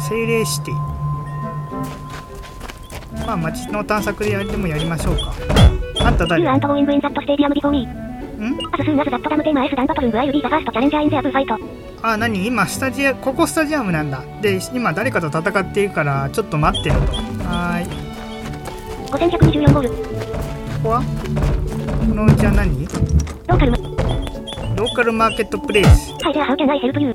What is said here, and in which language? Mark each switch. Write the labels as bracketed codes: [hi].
[ja] 精霊シティ、まあ街の探索でやってもやりましょうか。あんた誰？ [en] You aren't going win that stadium before me. As soon as that damn team is done battling, I'll be the first challenger in their fight. [ja] あ、何？今スタジア、ここスタジアムなんだ。で、今誰かと戦っているからちょっと待ってよと。はーい。 5124ゴール。ここは？このうちは何？ローカルローカルマーケットプレイス。はい、では、 [en] How can I help you?